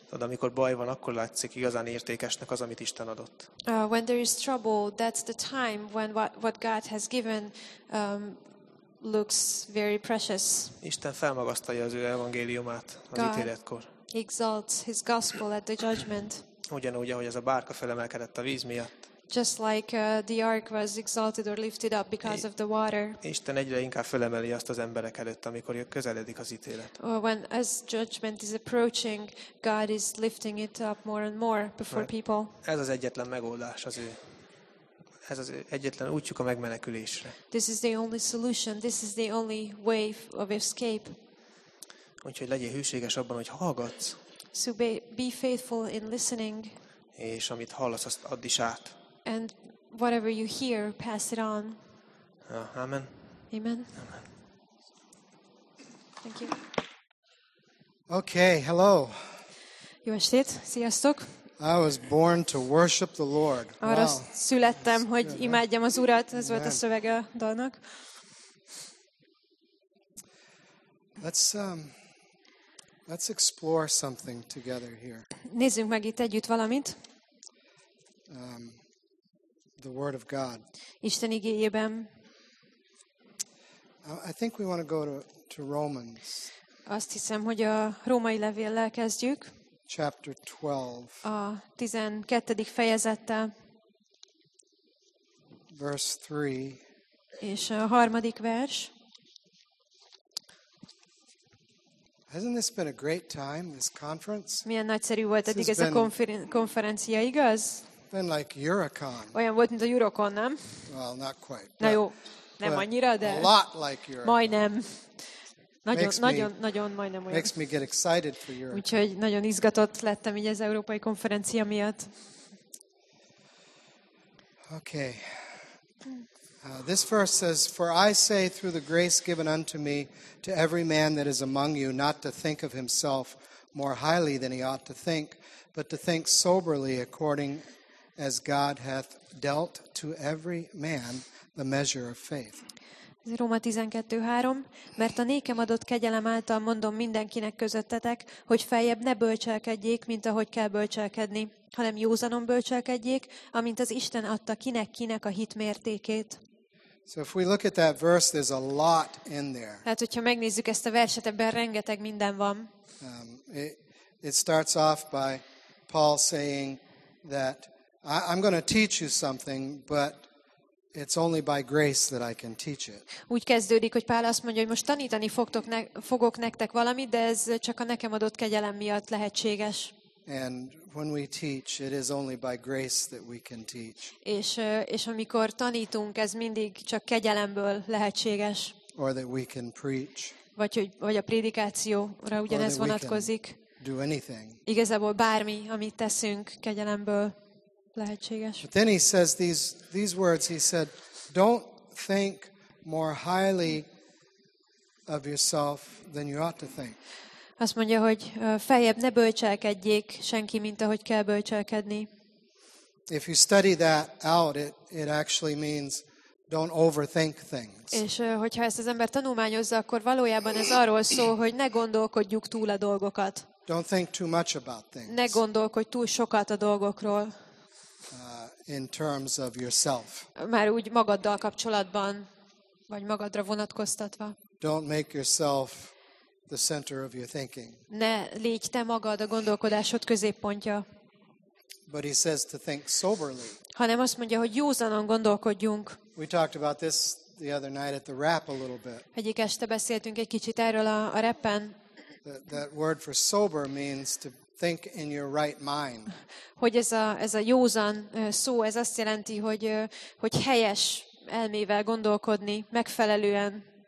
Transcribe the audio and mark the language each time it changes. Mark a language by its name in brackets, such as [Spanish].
[Hungarian] Tehát amikor baj van, akkor látszik igazán értékesnek az, amit Isten adott. [English] When there is trouble, that's the time when what God has given looks very precious. [Hungarian] Isten felmagasztalja az ő evangéliumát az ítéletkor. [English] Exalts his gospel at the judgment. [Hungarian] Ugyanúgy, ahogy ez a bárka felemelkedett a víz miatt. [English] Just like the ark was exalted or lifted up because of the water. [Hungarian] Isten egyre inkább fölemeli azt az emberek előtt, amikor közeledik az ítélet. [English] Or when as judgment is approaching, God is lifting it up more and more before people. [Hungarian] Ez az egyetlen megoldás az ő. Ez az egyetlen útjuk a megmenekülésre. [English] This is the only solution. This is the only way of escape. [Hungarian] Úgyhogy legyél hűséges abban, hogy hallgatsz. [English] So be faithful in listening. [Hungarian] És amit hallasz, azt add is át. [English] And whatever you hear, pass it on. Amen. Amen. Amen. Thank you. Okay, hello. [Hungarian] Jó estét, sziasztok. [English] I was born to worship the Lord. [Hungarian] Arra születtem, hogy imádjam az Urat, ez volt a szövege a dalnak. [English] Let's explore something together here. [Hungarian] Nézzünk meg itt együtt valamit. [English] The word of God. [Hungarian] Isten igéjében. [English] I think we want to go to Romans. [Hungarian] Azt hiszem, hogy a római levéllel kezdjük. [English] Chapter 12. [Hungarian] A 12. fejezettel. [English] Verse 3. [Hungarian] És a 3. vers. [English] Hasn't this been a great time, this conference? [Hungarian] Milyen nagyszerű volt eddig ez a konferencia, igaz? [English] Been like Eurocon. [Hungarian] Olyan volt, mint a Eurocon, nem? [English] Well, not quite. [Hungarian] Na jó, nem annyira, de. [English] A lot like Eurocon. [Hungarian] Majdnem. Nagyon majdnem olyan. [English] Makes me get excited for Europe. [Hungarian] Úgyhogy nagyon izgatott lettem így az európai konferencia miatt. [English] Okay. This verse says, "For I say through the grace given unto me to every man that is among you, not to think of himself more highly than he ought to think, but to think soberly according as God hath dealt to every man the measure of faith." [Hungarian] Róma 12:3. Mert a nékem adott kegyelem által mondom mindenkinek közöttetek, hogy feljebb ne bölcselkedjék, mint ahogy kell bölcselkedni, hanem józanon bölcselkedjék, amint az Isten adta kinek-kinek a hit mértékét. [English] So if we look at that verse, there's a lot in there. [Hungarian] Hát, hogyha megnézzük ezt a verset, ebben rengeteg minden van. [English] It starts off by Paul saying that I'm going to teach you something, but it's only by grace that I can teach it. [Hungarian] Úgy kezdődik, hogy Pál azt mondja, hogy most tanítani fogok nektek valamit, de ez csak a nekem adott kegyelem miatt lehetséges. [English] And when we teach, it is only by grace that we can teach. [Hungarian] És amikor tanítunk, ez mindig csak kegyelemből lehetséges. [English] Or that we can preach. [Hungarian] Vagy a prédikációra ugyanez vonatkozik. [English] Do anything. [Hungarian] Igazából bármi, amit teszünk, kegyelemből lehetséges. [English] But then he says these words. He said, "Don't think more highly of yourself than you ought to think." [Hungarian] Azt mondja, hogy feljebb ne bölcselkedjék senki, mint ahogy kell bölcselkedni. [English] If you study that out, it actually means don't overthink things. [Hungarian] És hogyha ezt az ember tanulmányozza, akkor valójában ez arról szól, hogy ne gondolkodjuk túl a dolgokat. [English] Don't think too much about things. [Hungarian] Ne gondolkodj túl sokat a dolgokról. [English] In terms of yourself. [Hungarian] Már úgy magaddal kapcsolatban, vagy magadra vonatkoztatva. [English] Don't make yourself the center of your thinking. [Hungarian] Ne légy te magad a gondolkodásod középpontja. [English] But he says to think soberly. [Hungarian] Hanem azt mondja, hogy józanon gondolkodjunk. [English] We talked about this the other night at the rap a little bit. [Hungarian] Egyik este beszéltünk egy kicsit erről a rappen. [English] That word for sober means to think in your right mind. [Hungarian] Hogy ez a józan szó, ez azt jelenti, hogy helyes elmével gondolkodni, megfelelően.